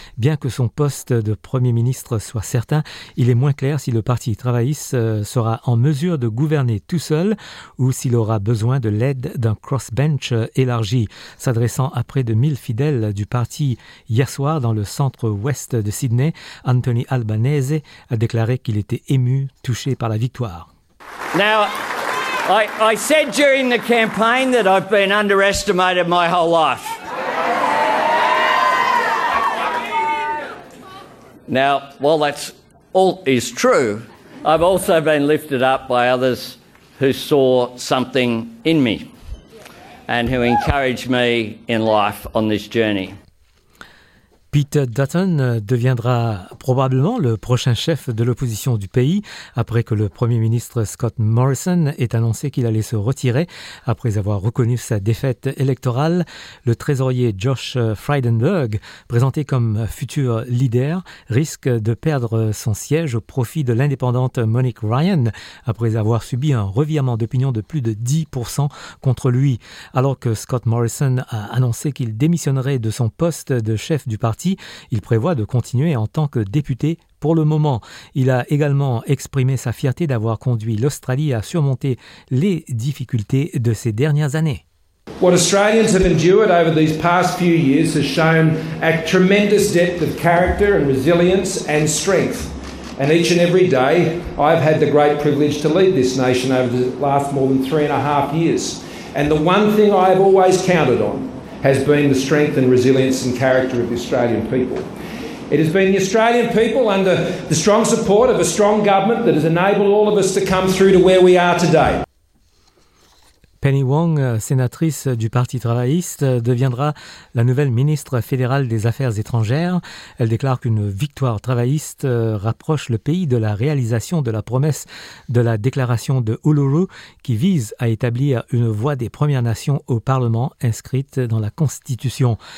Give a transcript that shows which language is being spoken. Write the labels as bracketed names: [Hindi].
[French] Bien que son poste de Premier ministre soit certain, il est moins clair si le Parti travailliste sera en mesure de gouverner tout seul ou s'il aura besoin de l'aide d'un crossbench élargi. S'adressant à près de 1000 fidèles du parti hier soir dans le centre-ouest de Sydney, Anthony Albanese a déclaré qu'il était ému, touché par la victoire. [English] Now, I said during the campaign that I've been underestimated my whole life. Now, while that's all is true, I've also been lifted up by others who saw something in me and who encouraged me in life on this journey. [French] Peter Dutton deviendra probablement le prochain chef de l'opposition du pays après que le Premier ministre Scott Morrison ait annoncé qu'il allait se retirer après avoir reconnu sa défaite électorale. Le trésorier Josh Frydenberg, présenté comme futur leader, risque de perdre son siège au profit de l'indépendante Monique Ryan après avoir subi un revirement d'opinion de plus de 10% contre lui. Alors que Scott Morrison a annoncé qu'il démissionnerait de son poste de chef du parti, il prévoit de continuer en tant que député pour le moment. Il a également exprimé sa fierté d'avoir conduit l'Australie à surmonter les difficultés de ces dernières années. [English] What Australians have endured over these past few years has shown a tremendous depth of character and resilience and strength. And each and every day, I've had the great privilege to lead this nation over the last more than 3.5 years. And the one thing I've always counted on has been the strength and resilience and character of the Australian people. It has been the Australian people under the strong support of a strong government that has enabled all of us to come through to where we are today. [French] Penny Wong, sénatrice du Parti travailliste, deviendra la nouvelle ministre fédérale des Affaires étrangères. Elle déclare qu'une victoire travailliste rapproche le pays de la réalisation de la promesse de la déclaration de Uluru qui vise à établir une voix des Premières Nations au Parlement inscrite dans la Constitution.